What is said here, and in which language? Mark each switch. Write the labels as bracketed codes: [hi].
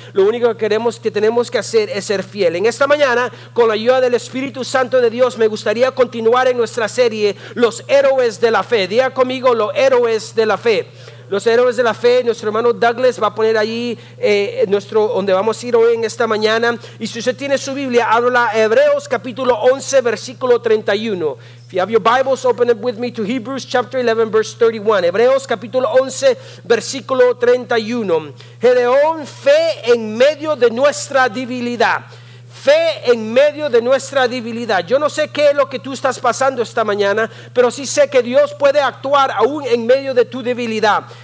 [es] Lo único que queremos, que tenemos que hacer, es ser fiel. En esta mañana, con la ayuda del Espíritu Santo de Dios, me gustaría continuar en nuestra serie Los Héroes de la Fe. Diga conmigo, los héroes de la fe. Los héroes de la fe, nuestro hermano Douglas va a poner ahí nuestro, donde vamos a ir hoy en esta mañana. Y si usted tiene su Biblia, habla a Hebreos capítulo 11, versículo 31. [en] If you have your Bibles, open it with me to Hebrews chapter 11, verse 31. [es] Hebreos capítulo 11, versículo 31. Gedeón, fe en medio de nuestra debilidad. Fe en medio de nuestra debilidad. Yo no sé qué es lo que tú estás pasando esta mañana, pero sí sé que Dios puede actuar aún en medio de tu debilidad.